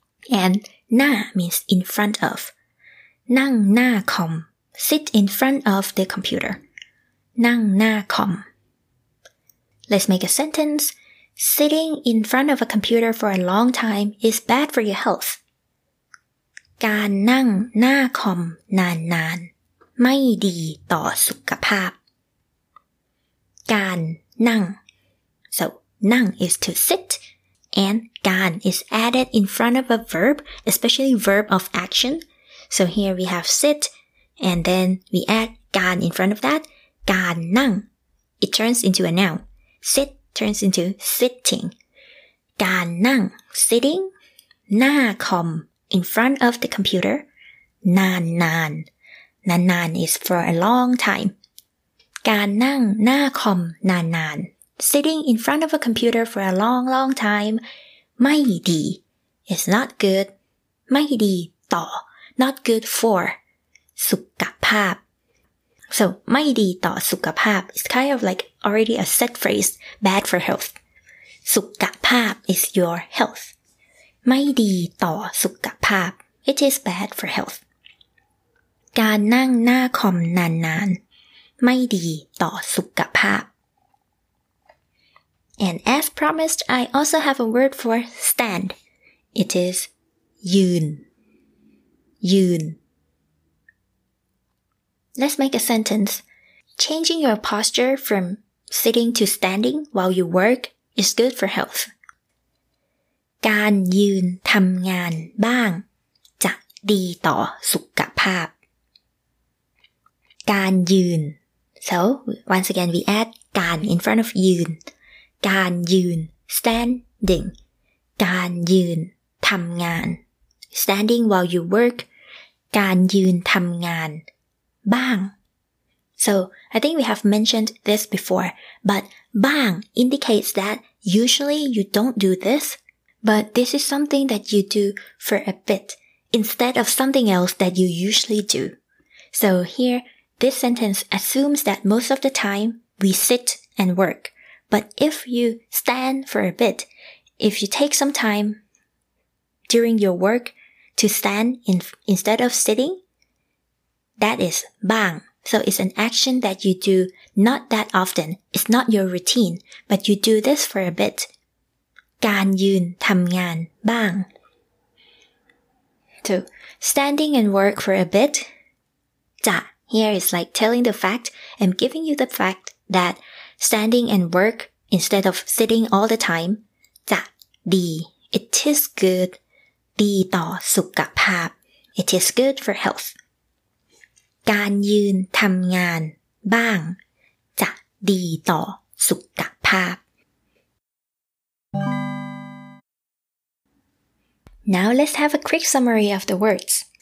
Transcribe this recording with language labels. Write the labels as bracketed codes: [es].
[en] And หน้า means in front of. [th] นั่งหน้าคอม [en] Sit in front of the computer. [th] นั่งหน้าคอม [en] Let's make a sentence. Sitting in front of a computer for a long time is bad for your health. [th] การนั่งหน้าคอมนานๆไม่ดีต่อสุขภาพ การนั่ง [en] So, นั่ง is to sit. And การ is added in front of a verb, especially verb of action. So here we have sit. And then we add การ in front of that, การนั่ง. It turns into a noun. Sit turns into sitting. [th] การนั่ง, sitting, หน้าคอม, [en] in front of the computer, [th] นานนาน. [en] นานนาน is for a long time. [th] การนั่งหน้าคอมนานนาน. [en] Sitting in front of a computer for a long, long time, [th] ไม่ดี. [en] It's not good. [th] ไม่ดีต่อ. [en] Not good for. [th] สุขภาพ [en] So, [th] ไม่ดีต่อสุขภาพ [en] is kind of like already a set phrase, bad for health. สุขภาพ is your health. [th] ไม่ดีต่อสุขภาพ [en] It is bad for health. [th] การนั่งหน้าคอมนานๆไม่ดีต่อสุขภาพ [en] And as promised, I also have a word for stand. It is [th] ยืนยืน [en] Let's make a sentence. Changing your posture from sitting to standing while you work is good for health. [th] การยืนทำงานบ้างจะดีต่อสุขภาพ. การยืน. [en] So, once again, we add การ in front of ยืน. การยืน standing. [th] การยืนทำงาน [en] standing while you work. [th] การยืนทำงานBang. [en] So, I think we have mentioned this before, but bang indicates that usually you don't do this, But this is something that you do for a bit instead of something else that you usually do. So here, this sentence assumes that most of the time we sit and work. But if you stand for a bit, if you take some time during your work to stand instead of sitting, that is bang. So it's an action that you do not that often. It's not your routine, but you do this for a bit. [th] การยืนทำงานบ้าง [en] So, standing and work for a bit. จะ Here is like telling the fact. I'm giving you the fact that standing and work instead of sitting all the time. จะดี It is good. [th] ดีต่อสุขภาพ [en] It is good for health. [th] การยืนทำงานบ้างจะดีต่อสุขภาพ [en] Now let's have a quick summary of the words.